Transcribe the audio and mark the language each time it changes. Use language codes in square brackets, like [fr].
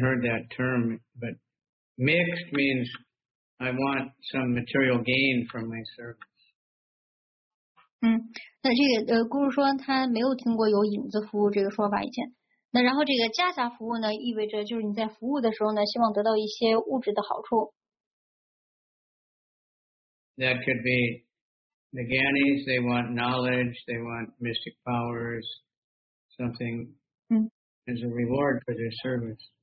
[en] I haven't heard that term, but mixed means I want some material gain from my service. [zh] 那这个，呃，guru说他没有听过有影子服务这个说法以前。那然后这个加下服务呢，意味着就是你在服务的时候呢，希望得到一些物质的好处。 [en] That could be the Gyanis, they want knowledge, they want mystic powers, something as a reward for their service.